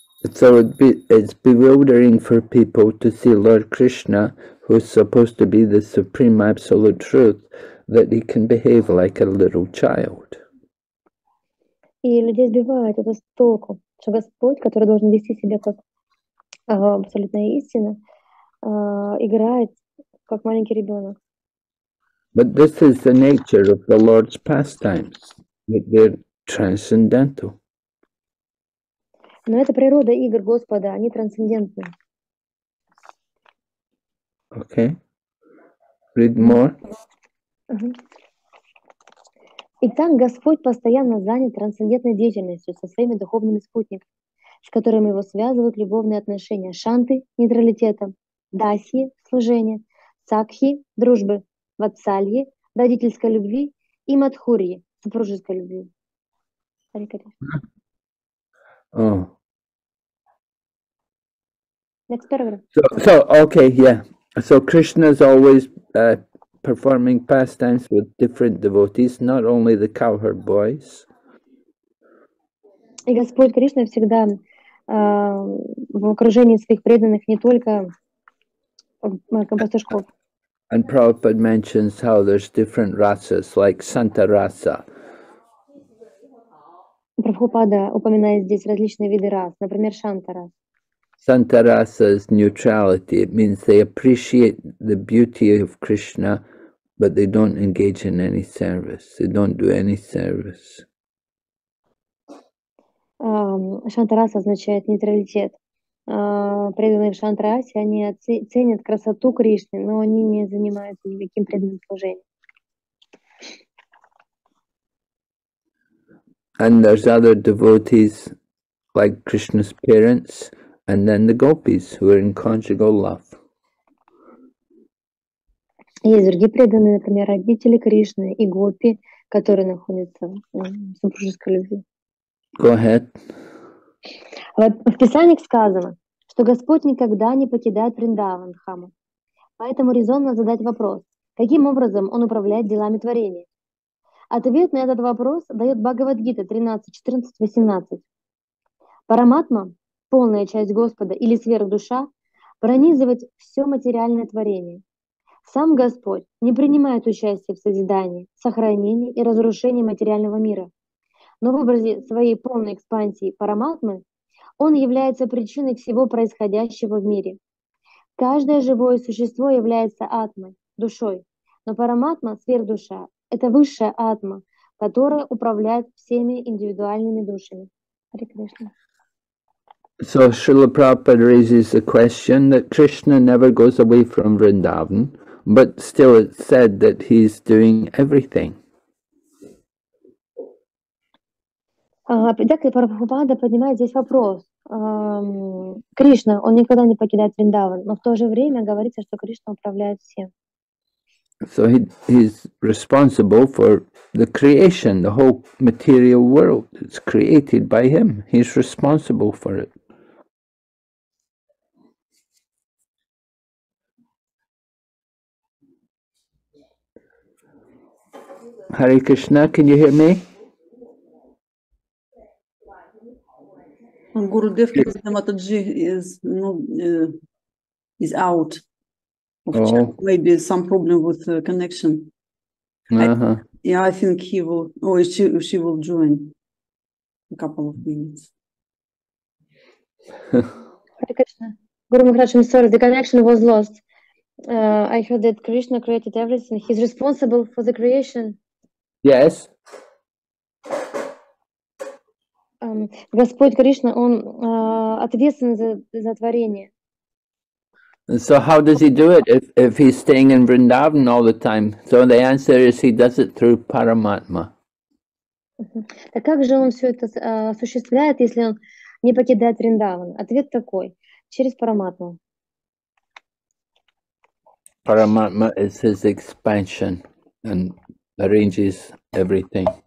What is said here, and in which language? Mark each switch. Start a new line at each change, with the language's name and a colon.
English: So it's bewildering for people to see Lord Krishna, who's supposed to be the Supreme Absolute Truth, that he can behave like a little child.
Russian: И людей сбивает это с толку, что Господь, который должен вести себя как абсолютная истина, играет, как маленький ребенок.
English: But this is the nature of the Lord's pastimes. They're transcendental.
Russian: Но это природа игр Господа, они трансцендентны.
English: Okay. Read more.
Russian: Итак, Господь постоянно занят трансцендентной деятельностью со своими духовными спутниками, с которыми его связывают любовные отношения шанты, нейтралитета, дасьи, служения, сакхи, дружбы, ватсальи, родительской любви и мадхурьи, супружеской любви.
English: Next paragraph. So, okay, yeah. So Krishna is always performing pastimes with different devotees, not only the cowherd boys.
Russian: И Господь Кришна всегда в окружении своих преданных, не только пастушков.
English: And Prabhupada mentions how there's different rasas, like Santa Rasa.
Russian: Прабхупада упоминает здесь различные виды рас, например, Шантара.
English: Santa Rasa's neutrality, it means they appreciate the beauty of Krishna, but they don't engage in any service. They don't do any service.
Russian: Шантараса означает нейтралитет. Преданные в Шантарасе, они ценят красоту Кришны, но они не занимаются никаким преданным служением.
English: And there's other devotees, like Krishna's parents, and then the gopis, who are in conjugal love.
Russian: Есть другие преданные, например, родители Кришны и гопи, которые находятся в супружеской любви.
English: Go ahead.
Russian: В Писании сказано, что Господь никогда не покидает Вриндаван Дхаму. Поэтому резонно задать вопрос, каким образом Он управляет делами творения? Ответ на этот вопрос дает Бхагавадгита 13, 14, 18. Параматма, полная часть Господа или сверхдуша, пронизывает все материальное творение. Сам Господь не принимает участие в созидании, сохранении и разрушении материального мира. Но в образе своей полной экспансии параматмы Он является причиной всего происходящего в мире. Каждое живое существо является атмой, душой, но параматма, сверхдуша, это высшая атма, которая управляет всеми индивидуальными душами.
English: Hare Krishna. So Srila Prabhupada raises the question that Krishna never goes away from Vrindavan, but still it's said that he's doing everything.
Russian: Итак, Прабхупада поднимает здесь вопрос. Кришна, он никогда не покидает Вриндаван, но в то же время говорится, что Кришна управляет всем.
English: So he's responsible for the creation, the whole material world. It's created by him. He's responsible for it. Hare Krishna, can you hear me? Guru Dev Mataji is out. Oh. Maybe some problem with the connection. Uh-huh. I think he will, or she will join in a couple of minutes. Hare Krishna. Guru Maharaj, I'm sorry, the connection was lost. I heard that Krishna created everything. He's responsible for the creation. Yes.
Russian: Господь Кришна, Он ответственен за творение.
English: So how does he do it if he's staying in Vrindavan all the time? So the answer is he does it through Paramatma.
Russian: Так как же он все это осуществляет, если он не покидает Вриндаван? Ответ такой: через Параматму.
English: Paramatma is his expansion and arranges everything.